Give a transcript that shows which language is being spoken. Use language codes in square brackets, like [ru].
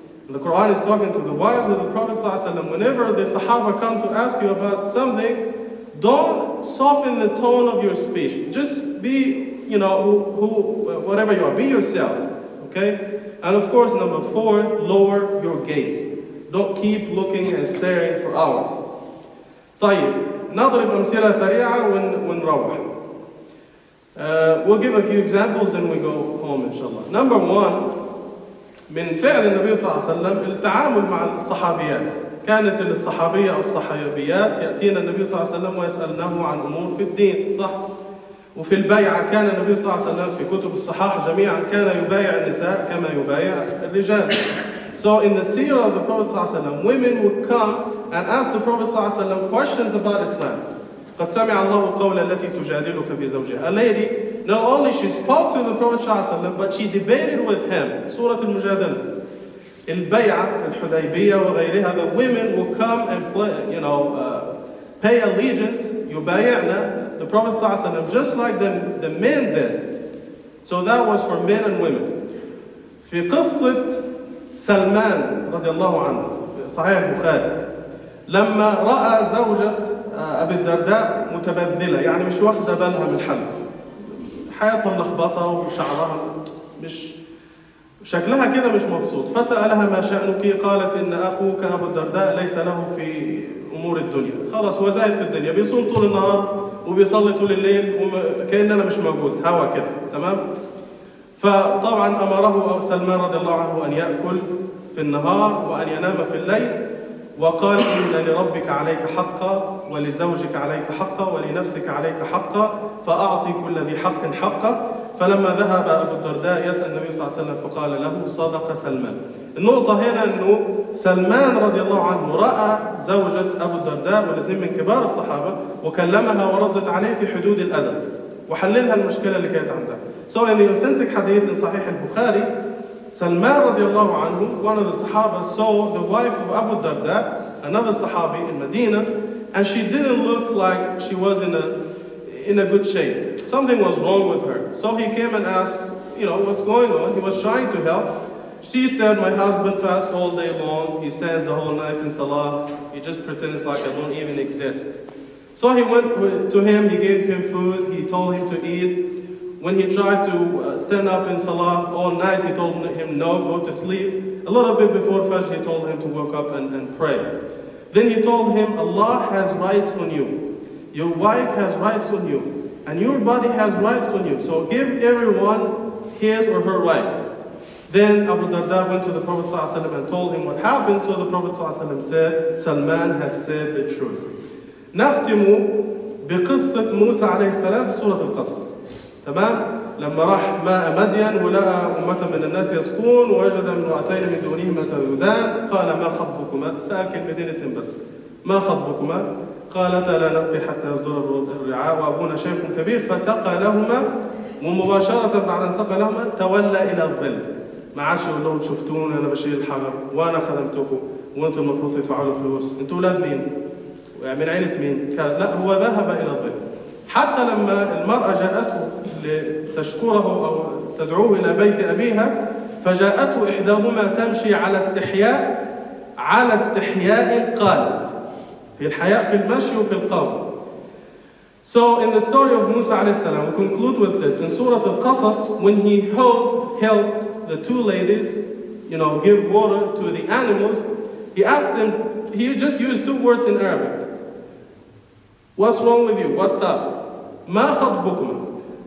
[en] The Quran is talking to the wives of the Prophet ﷺ. Whenever the Sahaba come to ask you about something, Don't soften the tone of your speech. Just be, you know, who, whatever you are. Be yourself, okay? And of course, number four, lower your gaze. Don't keep looking and staring for hours. [ar] طيب, نضرب أمثلة سريعة ونروح. [en] We'll give a few examples and we go home, inshallah. Number one, [ar] من فعل النبي صلى الله عليه وسلم التعامل مع الصحابيات. كانت الصحابية أو الصحابيات يأتينا النبي صلى الله عليه وسلم ويسألناه عن أمور في الدين صح؟ وفي البيعة كان النبي صلى الله عليه وسلم في كتب الصحاح جميعا كان يبايع النساء كما يبايع الرجال. [en] So in the seerah of the Prophet [ar] صلى الله عليه وسلم, [en] women would come and ask the Prophet صلى الله عليه وسلم questions about Islam. [ar] قد سمع الله القول التي تجادلك في زوجها. [en] A lady, not only she spoke to the Prophet [ar] صلى الله عليه وسلم, [en] but she debated with him. [ar] سورة المجادلة. البيعة الحديبية وغيرها, [en] the women will come and play, you know, pay allegiance, [ar] يبايعنا, [en] the Prophet [ar] صلى الله عليه وسلم, [en] just like the men did. So that was for men and women. [ar] في قصة سلمان رضي الله عنه, صحيح البخاري, لما رأى زوجة أبي الدرداء متبذلة, يعني مش واخدة بالها من حد, حياتها ملخبطة وشعرها مش شكلها كده مش مبسوط, فسألها ما شأنك؟ قالت إن أخوك أبو الدرداء ليس له في أمور الدنيا, خلاص هو زاهد في الدنيا, بيصوم طول النهار وبيصلي طول الليل وكأن أنا مش موجود, هوا كده تمام. فطبعا أمره أبو سلمان رضي الله عنه أن يأكل في النهار وأن ينام في الليل, وقال إن لربك عليك حقا ولزوجك عليك حقا ولنفسك عليك حقا فأعطي كل ذي حق حقا. فلما ذهب أبو الدرداء يسأل النبي صلى الله عليه وسلم فقال له صدق سلمان. النقطة هنا أنه سلمان رضي الله عنه رأى زوجة أبو الدرداء والاثنين من كبار الصحابة وكلمها وردت عليه في حدود الأدب وحللها المشكلة اللي كانت عندها. So in the authentic حديث in صحيح البخاري, سلمان رضي الله عنه, one of the Sahaba, saw the wife of Abu Darda, another Sahabi in Medina, and she didn't look like she was in a good shape. Something was wrong with her. So he came and asked, you know, what's going on? He was trying to help. She said, my husband fasts all day long. He stands the whole night in Salah. He just pretends like I don't even exist. So he went to him. He gave him food. He told him to eat. When he tried to stand up in Salah all night, he told him, no, go to sleep. A little bit before Fajr, he told him to wake up and pray. Then he told him, Allah has rights on you. Your wife has rights on you. And your body has rights on you. So give everyone his or her rights. Then Abu Darda went to the Prophet ﷺ and told him what happened. So the Prophet ﷺ said, Salman has said the truth. نختم بقصة موسى عليه السلام في سورة القصص. تمام؟ لما راح ماء مدين ولقى أمة من الناس يسقون ووجد امرأتين من دونهما تذودان, قال ما خطبكما؟ سأل كلمتين اتنين بس, ما خطبكما؟ قالتا لا نسقي حتى يصدر الرعاء وأبونا شيخ كبير, فسقى لهما ومباشرة بعد أن سقى لهما تولى إلى الظل, ما عادش يقول لهم شفتوني أنا بشيل الحجر وأنا خدمتكم وأنتم المفروض تدفعوا الفلوس, أنتوا أولاد مين؟ من عيلة مين؟ لا, هو ذهب إلى الظل. حتى لما المرأة جاءته لتشكره أو تدعوه إلى بيت أبيها, فجاءته إحداهما تمشي على استحياء, على استحياء قالت, في الحياء في المشي وفي القول. [en] So in the story of Musa [ar] عليه السلام, [en] we conclude with this. In Surah Al-Qasas, when he helped the two ladies, you know, give water to the animals, he asked them, he just used two words in Arabic. What's wrong with you? What's up? [ar] ما خطبكم?